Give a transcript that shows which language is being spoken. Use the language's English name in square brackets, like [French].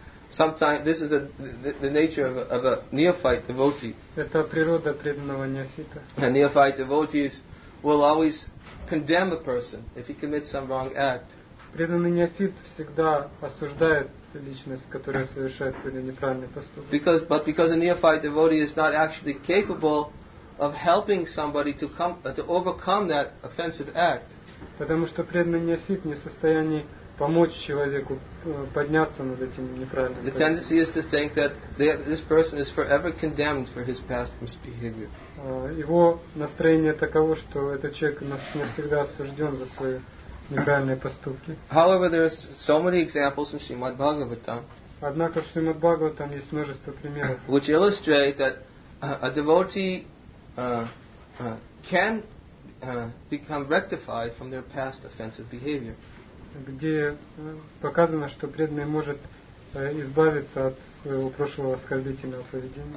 [English] Sometimes this is the nature of a neophyte devotee. [Russian] Это природа преданного неофита. [English] A neophyte devotee will always condemn a person if he commits some wrong act. [Russian] Преданный неофит всегда осуждает личность, которая совершает какой-то неправильный поступок. [English] Because a neophyte devotee is not actually capable of helping somebody to overcome that offensive act. [Russian] Потому что преданный неофит не в состоянии помочь человеку подняться над этим неправильным. [English] The tendency is to think that this person is forever condemned for his past misbehavior. [Russian] Его настроение таково, что этот человек навсегда осужден за свои неправильные поступки. [English] However, there are so many examples in Srimad Bhagavatam. [Russian] Однако в Шримад Бхагаватам есть множество примеров, [English] which illustrate that a devotee can become rectified from their past offensive behavior. [Russian] Где показано, что преданный может избавиться от своего прошлого оскорбительного поведения.